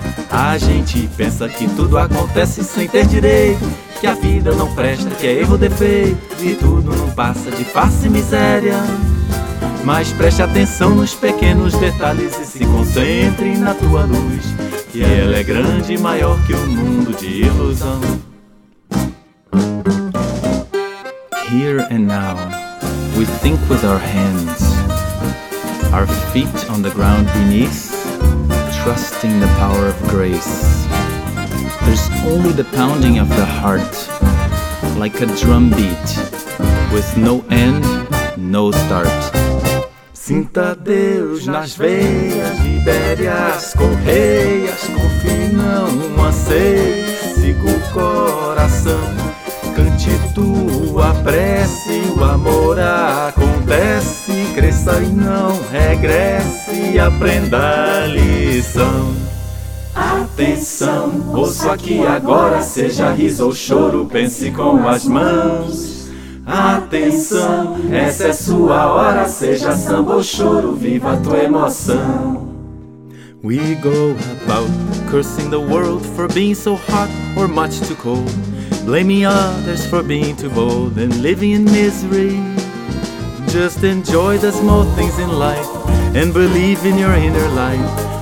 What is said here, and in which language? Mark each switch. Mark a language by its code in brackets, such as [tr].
[pt] A gente pensa que tudo acontece sem ter direito, que a vida não presta, que é erro, defeito, e tudo não passa de farsa e miséria. Mas preste atenção nos pequenos detalhes e se concentre na tua luz, que ela é grande e maior que o mundo de ilusão. [en] Here and now, we think with our hands, our feet on the ground beneath, trusting the power of grace. There's only the pounding of the heart, like a drum beat, with no end, no start. [pt] Sinta Deus nas veias, libere as correias, confie, não anseie, siga o coração. Cante tua prece, o amor acontece, cresça e não regresse, aprenda a lição. Atenção, ouço aqui agora, seja riso ou choro, pense com as mãos. Atenção, essa é sua hora, seja samba ou choro, viva a tua emoção. [en] We go about cursing the world for being so hot or much too cold, blaming others for being too bold and living in misery. Just enjoy the small things in life and believe in your inner light.